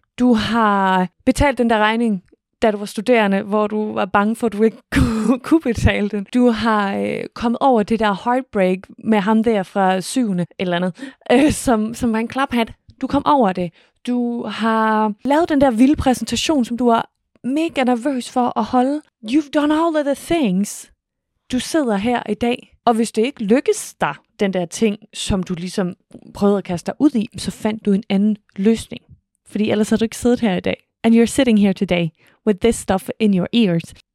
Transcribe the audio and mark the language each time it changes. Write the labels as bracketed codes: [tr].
[da] Du har betalt den der regning, da du var studerende, hvor du var bange for, at du ikke kunne betale den. Du har kommet over det der heartbreak med ham der fra 7. eller andet, som var en klaphat. Du kom over det. Du har lavet den der vilde præsentation, som du var mega nervøs for at holde. [en] You've done all of the things. [da] Du sidder her i dag, og hvis det ikke lykkes dig, den der ting, som du ligesom prøvede at kaste dig ud i, så fandt du en anden løsning. Fordi ellers havde du ikke siddet her i dag. [en] And you're sitting here today with this stuff in your ears.